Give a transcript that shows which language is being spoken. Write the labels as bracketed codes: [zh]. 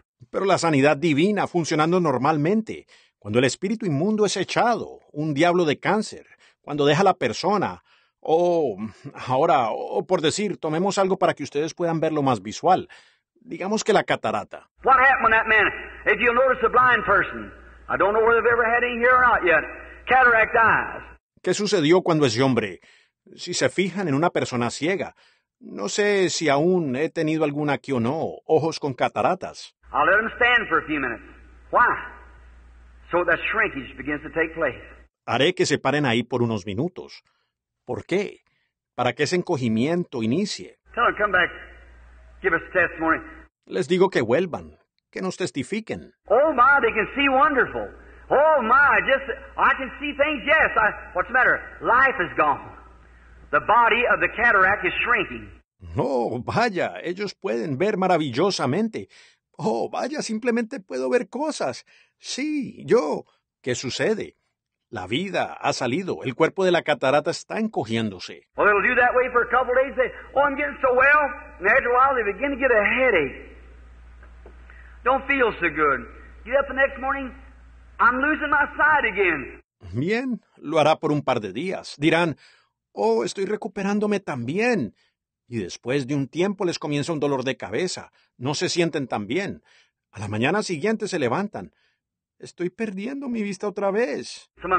[es] Pero la sanidad divina funcionando normalmente, cuando el espíritu inmundo es echado, un diablo de cáncer, cuando deja a la persona, por decir, tomemos algo para que ustedes puedan verlo más visual, digamos que la catarata. [en] What happened to that man? If you'll notice a blind person, I don't know whether they've ever had any here or not yet, cataract eyes. [es] ¿Qué sucedió cuando ese hombre, si se fijan en una persona ciega? No sé si aún he tenido alguna aquí o no, ojos con cataratas. [en] I'll let them stand for a few minutes. Why? So that shrinkage begins to take place. [es] Haré que se paren ahí por unos minutos. ¿Por qué? Para que ese encogimiento inicie. [en] Tell them, come back. Give us testimony. [es] Les digo que vuelvan, que nos testifiquen. [en] Oh my, they can see wonderful. Oh my, just, I can see things, yes. What's the matter? Life is gone. The body of the cataract is shrinking. [es] Oh, vaya, ellos pueden ver maravillosamente. Oh, vaya, simplemente puedo ver cosas. Sí, yo. ¿Qué sucede? La vida ha salido. El cuerpo de la catarata está encogiéndose. [en] Well, it'll do that way for a couple of days. They say, oh, I'm getting so well. And after a while, they begin to get a headache. Don't feel so good. Get up the next morning, I'm losing my sight again. [es] Bien, lo hará por un par de días. Dirán, oh, estoy recuperándome también. Y después de un tiempo les comienza un dolor de cabeza. No se sienten tan bien. A la mañana siguiente se levantan. Estoy perdiendo mi vista otra vez.